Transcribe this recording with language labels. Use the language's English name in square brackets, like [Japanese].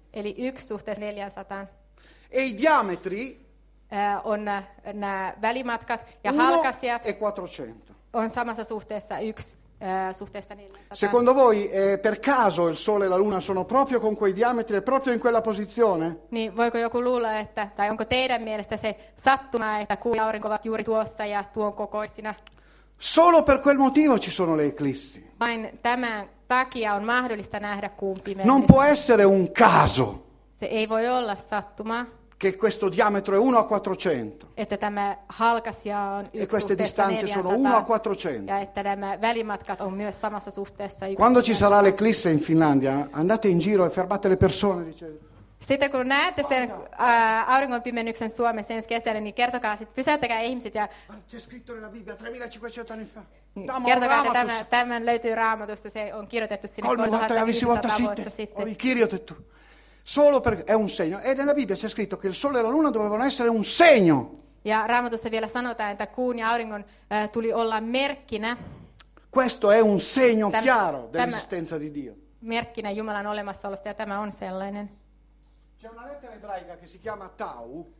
[Finnish] Eli 1/400. [Italian] E i diametri [Finnish] on nämä välimatkat ja halkasijat. 1/400. On samassa suhteessa 1/400. [Italian] Secondo voi per caso il sole e la luna sono proprio con quei diametri, proprio in quella posizione? [Finnish] Niin, voiko joku luulla, että, tai onko teidän mielestä se sattuma, että kuun ja aurinko ovat juuri tuossa ja tuon kokoisina? [Italian] Solo per quel motivo ci sono le eclissi. [Finnish] Vain tämän takia on mahdollista nähdä kuun pimeys. [Italian] Non può essere un caso. [Finnish] Se ei voi olla sattuma. [Italian] Che questo diametro è 1/400. [Finnish] Että tämä halkasia on 1/400. [Italian] E queste distanze sono 1/400. [Finnish] Ja että nämä välimatkat on myös samassa suhteessa. [Italian] Quando ci sarà l'eclisse in Finlandia, andate in giro e fermate le persone, dice. [Finnish] Sitten kun näette sen auringonpimennyksen Suomessa ensi kesänä, niin kertokaa sitten, pysäyttäkää ihmiset ja... [Italian] C'è scritto nella Bibbia 3500 anni fa. [Finnish] Kertokaa, että tämän löytyy Raamatusta, se on kirjoitettu sinne 3500 vuotta sitten. Oli kirjoitettu. [Italian] Solo per è un segno. E nella Bibbia c'è scritto che il sole e la luna dovevano essere un segno. [Finnish] Ja Raamatussa vielä sanotaan, että kuun ja auringon tuli olla merkkinä. [Italian] Questo è un segno chiaro dell'esistenza di Dio. [Finnish] Merkkinä Jumalan olemassaolosta, ja tämä on sellainen. [Italian] C'è una lettera ebraica che si chiama Tau.